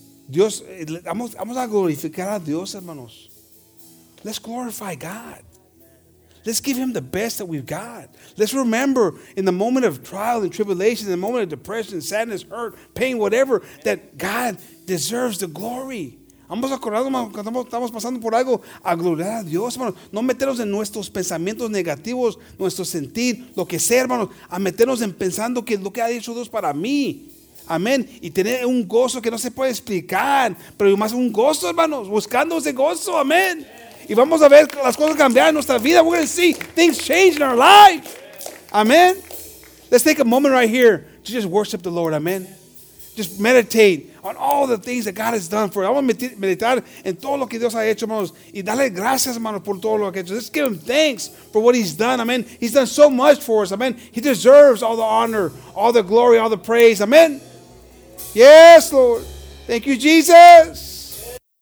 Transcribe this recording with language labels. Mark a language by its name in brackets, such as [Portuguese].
[Spanish] Dios, vamos a glorificar a Dios, hermanos. [English] Let's glorify God. Let's give him the best that we've got. Let's remember in the moment of trial and tribulation, in the moment of depression, sadness, hurt, pain, whatever, that God deserves the glory. [Spanish] Vamos a acordarnos cuando estamos pasando por algo, a gloriar a Dios, hermanos. No meternos en nuestros pensamientos negativos, nuestro sentir, lo que sea, hermanos, a meternos en pensando que lo que ha dicho Dios para mí. Amén. Y tener un gozo que no se puede explicar, pero más un gozo, hermanos, buscando ese gozo. Amén. Y vamos a ver las cosas cambiar en nuestra vida. [English] We're going to see things change in our life. Amen. Let's take a moment right here to just worship the Lord. Amen. Just meditate on all the things that God has done for us. I want to [Spanish] meditar en todo lo que Dios ha hecho, hermanos. Y dale gracias, hermanos, por todo lo que ha hecho. [English] Let's give him thanks for what he's done. Amen. He's done so much for us. Amen. He deserves all the honor, all the glory, all the praise. Amen. Yes, Lord. Thank you, Jesus.